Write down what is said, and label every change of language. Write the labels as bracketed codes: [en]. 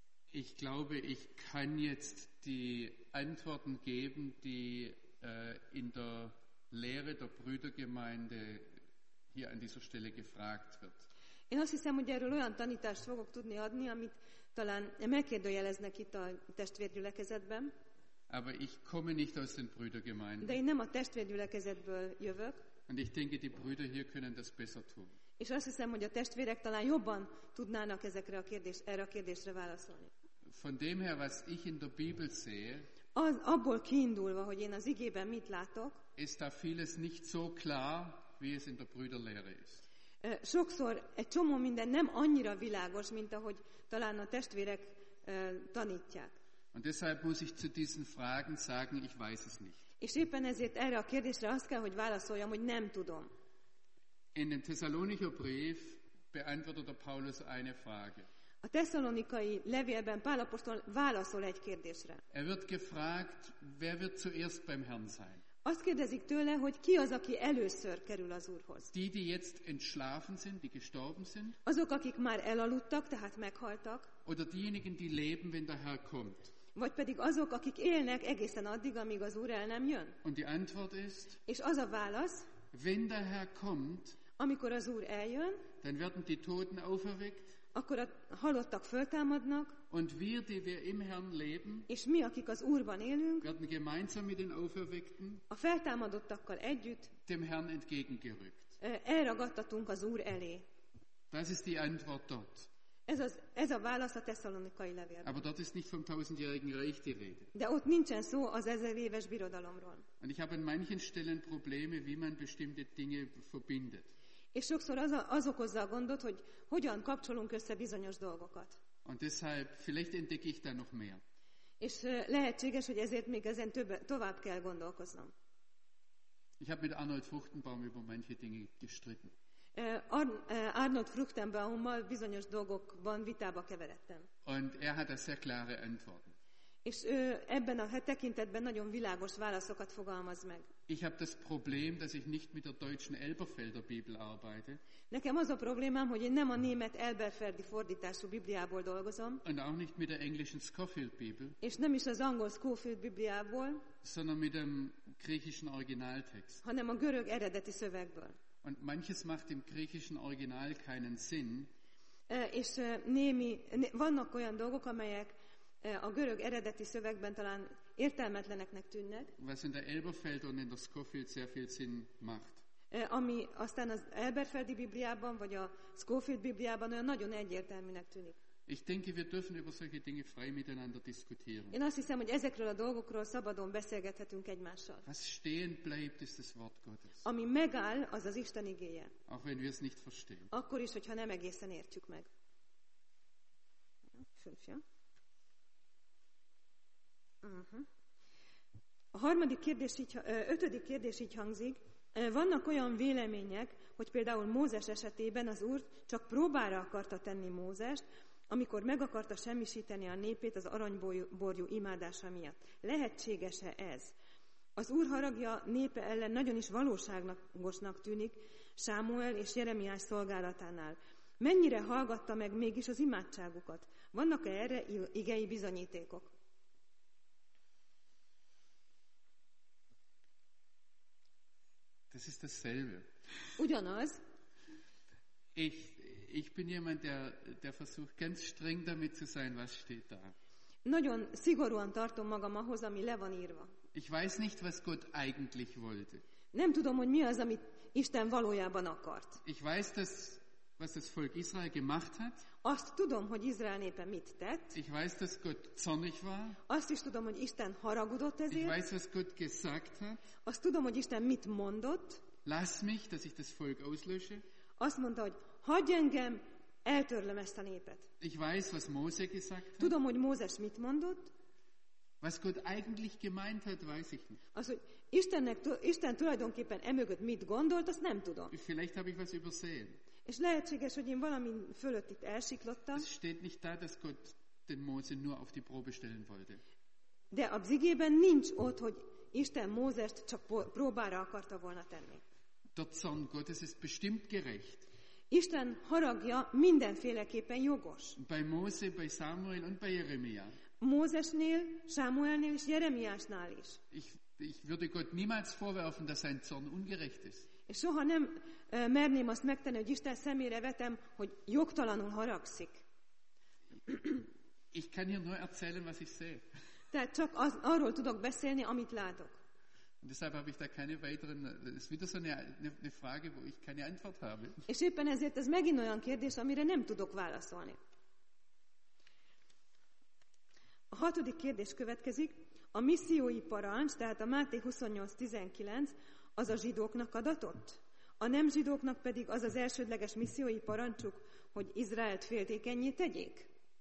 [de] Ich glaube, ich kann jetzt die Antworten geben, die in der Lehre der Brüdergemeinde hier an dieser Stelle gefragt wird. [hu] Én azt hiszem, hogy erről olyan tanítást fogok tudni adni, amit talán megkérdőjeleznek itt a testvérgyülekezetben. [de] Aber ich komme nicht aus den Brüdergemeinden. [hu] De én nem a testvérgyülekezetből jövök. [de] Und ich denke, die Brüder hier können das besser tun. [hu] És azt hiszem, hogy a testvérek talán jobban tudnának ezekre a kérdésre válaszolni. [de] Von dem her, was ich in der Bibel sehe, [hu] abból kiindulva, hogy én az igében mit látok, [de] ist da vieles nicht so klar, wie es in der Brüderlehre ist. [hu] Sokszor egy csomó minden nem annyira világos, mint ahogy talán a testvérek tanítják. [de] Und deshalb muss ich zu diesen Fragen sagen, ich weiß es nicht. [hu] És éppen ezért erre a kérdésre azt kell, hogy válaszoljam, hogy nem tudom. [de] In den Thessalonicher Brief beantwortet Paulus eine Frage. [hu] A Thessalonikai levélben Pál apostol válaszol egy kérdésre. [de] Er wird gefragt, wer wird zuerst beim Herrn sein? [hu] Azt kérdezik tőle, hogy ki az, aki először kerül az Úrhoz. [de] Die, die jetzt entschlafen sind, die gestorben sind. [hu] Azok, akik már elaludtak, tehát meghaltak. [de] Oder diejenigen, die leben, wenn der Herr kommt. [hu] Vagy pedig azok, akik élnek egészen addig, amíg az Úr el nem jön. [de] Und die Antwort ist, [hu] és az a válasz, [de] wenn der Herr kommt, [hu] amikor az Úr eljön, [de] dann werden die Toten auferweckt, [hu] akkor a halottak föltámadnak, [de] und wir, die wir im Herrn leben, [hu] és mi, akik az Úrban élünk, [de] werden gemeinsam mit den Auferweckten, [hu] a feltámadottakkal együtt, [de] dem Herrn entgegengerückt. [hu] Elragadtatunk az Úr elé. [de] Das ist die Antwort dort. [hu] Ez a válasz a Thessalonikai levélben. [de] Aber dort ist nicht vom tausendjährigen Reich die Rede. [hu] De ott nincsen szó az ezer éves birodalomról. [de] Und ich habe an manchen Stellen Probleme, wie man bestimmte Dinge verbindet. [hu] És sokszor az okozza a gondot, hogy hogyan kapcsolunk össze bizonyos dolgokat. [de] Und deshalb vielleicht entdecke ich da noch mehr. [hu] És lehetséges, hogy ezért még ezen tovább kell gondolkoznom. [de] Ich habe mit Arnold Fruchtenbaum über manche Dinge gestritten. [hu] Arnold Fruchtenbaummal bizonyos dolgokban vitába keveredtem. [de] Und er hat a sehr klare Antworten. [hu] És ebben a tekintetben nagyon világos válaszokat fogalmaz meg. [de] Ich habe das Problem, dass ich nicht mit der deutschen Elberfelder Bibel arbeite. [hu] Nekem az a problémám, hogy én nem a német Elberfeldi fordítású Bibliából dolgozom. [de] Und auch nicht mit der englischen Scofield Bibel. [hu] És nem is az angol Scofield Bibliából. [de] Sondern mit dem griechischen Originaltext. [hu] Hanem a görög eredeti szövegből. [de] Und manches macht im griechischen Original keinen Sinn. [hu] És némi, vannak olyan dolgok, amelyek a görög eredeti szövegben talán értelmetleneknek tűnnek. [de] Was in der Elberfeld und in der Scofield sehr viel Sinn macht. [hu] Ami aztán az Elberfeldi Bibliában vagy a Scofield Bibliában olyan nagyon egyértelműnek tűnik. [de] Ich denke, wir dürfen über solche Dinge frei miteinander diskutieren. [hu] Én azt hiszem, hogy ezekről a dolgokról szabadon beszélgethetünk egymással. [de] Was stehen bleibt, ist das Wort Gottes. [hu] Ami megáll, az az Isten igéje. [de] Auch wenn wir es nicht verstehen. [hu] Akkor is, hogyha nem egészen értjük meg. A harmadik kérdés, ötödik kérdés így hangzik. Vannak olyan vélemények, hogy például Mózes esetében az Úr csak próbára akarta tenni Mózest, amikor meg akarta semmisíteni a népét az aranyborjú imádása miatt. Lehetséges-e ez? Az Úr haragja népe ellen nagyon is valóságosnak tűnik Sámuel és Jeremiás szolgálatánál. Mennyire hallgatta meg mégis az imádságukat? Vannak-e erre igei bizonyítékok? [de] Das ist dasselbe. [hu] Ugyanaz. [de] Ich bin jemand, der versucht ganz streng damit zu sein, was steht da. [hu] Nagyon szigorúan tartom magam ahhoz, ami le van írva. [de] Ich weiß nicht, was Gott eigentlich wollte. [hu] Nem tudom, hogy mi az, amit Isten valójában akart. [de] Ich weiß, dass was das Volk Israel gemacht hat. [hu] Azt tudom, hogy Izrael népe mit tett. [de] Ich weiß, dass Gott zornig war. [hu] Azt is tudom, hogy Isten haragudott ezért. [de] Ich weiß, was Gott gesagt hat. [hu] Azt tudom, hogy Isten mit mondott. [de] Lass mich, dass ich das Volk auslösche. [hu] Azt mondta, hogy hagyj engem, eltörlöm ezt a népet. [de] Ich weiß, was Mose gesagt hat. [hu] Tudom, hogy Mózes mit mondott. [de] Was Gott eigentlich gemeint hat, weiß ich nicht. [hu] Az, hogy Isten tulajdonképpen emögött mit gondolt, azt nem tudom. [de] Vielleicht habe ich was übersehen. [hu] És lehetséges, hogy én valami fölött itt elsiklottam. [de] Es steht nicht da, dass Gott den Mose nur auf die Probe stellen wollte. [hu] De a Bibliában nincs ott, hogy Isten Mózest csak próbára akarta volna tenni. [de] Der Zorn Gottes ist bestimmt gerecht. [hu] Isten haragja mindenféleképpen jogos. [de] Bei Mose, bei Samuel und bei Jeremia. [hu] Mózesnél, Sámuelnél és Jeremiásnál is. [de] Ich würde Gott niemals vorwerfen, dass sein Zorn ungerecht ist. [hu] És soha nem merném azt megtenni, hogy Isten szemére vetem, hogy jogtalanul haragszik. [de] Ich kann hier nur erzählen, was ich sehe. [hu] Tehát csak arról tudok beszélni, amit látok. [de] Und deshalb habe ich da keine weiteren, das ist wieder so eine Frage, wo ich keine Antwort habe. [hu] És éppen ezért ez megint olyan kérdés, amire nem tudok válaszolni. A hatodik kérdés következik. A missziói parancs, tehát a Máté 28:19, az a zsidóknak adatott? A nem zsidóknak pedig az az elsődleges missziói parancsuk, hogy Izraelt féltékenyé tegyék?